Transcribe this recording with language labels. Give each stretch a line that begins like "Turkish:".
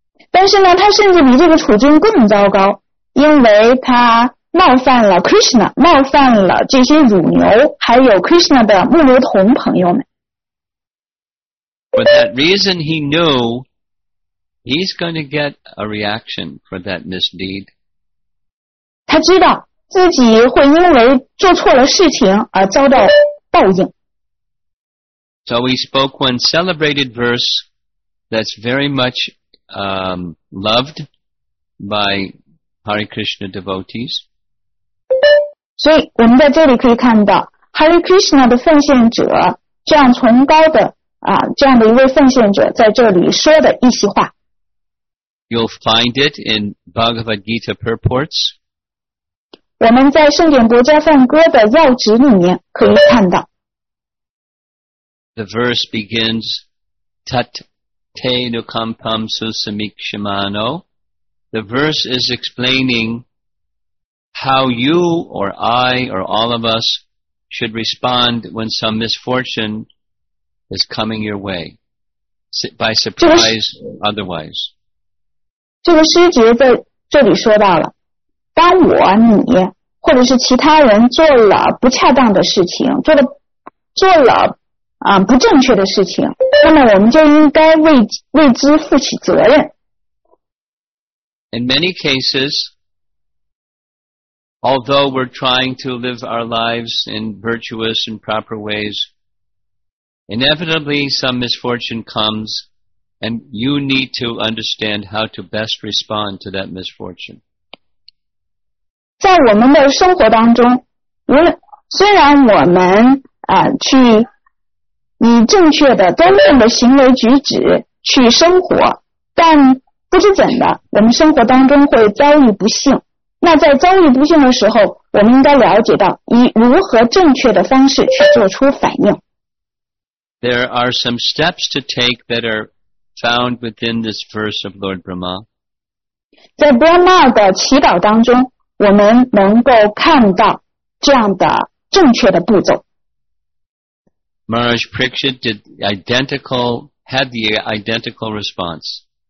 Chinese: 但是呢，他甚至比这个处境更糟糕，因为他冒犯了 Krishna， 冒犯了这些乳牛，还有 Krishna 的牧牛童朋友们。
English: For that reason, he knew he's going to get a reaction for that misdeed.
Chinese: 他知道自己会因为做错了事情而遭到报应。
English: So he spoke one celebrated verse that's very much loved by Hare Krishna devotees.
Chinese: 所以我们在这里可以看到 Hare Krishna 的奉献者这样崇高的啊，这样的一位奉献者在这里说的一席话。
English: You'll find it in Bhagavad Gita purports.
Chinese: 我们在圣典国家梵歌的要旨里面可以看到。
English: The verse begins,
Sanskrit: Tat te nukampam susamikshamano.
English: The verse is explaining how you or I or all of us should respond when some misfortune is coming your way, by surprise otherwise.
Chinese: 这个诗节在这里说到了，当我、你或者是其他人做了不恰当的事情，做了不正确的事情，那么我们就应该为之负起责任。
English: In many cases, although we're trying to live our lives in virtuous and proper ways, inevitably some misfortune comes, and you need to understand how to best respond to that misfortune.
Chinese: 在我们的生活当中，虽然我们去以正确的端正的行为举止去生活，但不知怎的，我们生活当中会遭遇不幸。那在遭遇不幸的时候，我们应该了解到以如何正确的方式去做出反应。
English: There are some steps to take that are found within this verse of Lord Brahma.
Chinese: 在 Brahma 的祈祷当中，我们能够看到这样的正确的步骤。
English: Maharaj Parikshit had the identical response.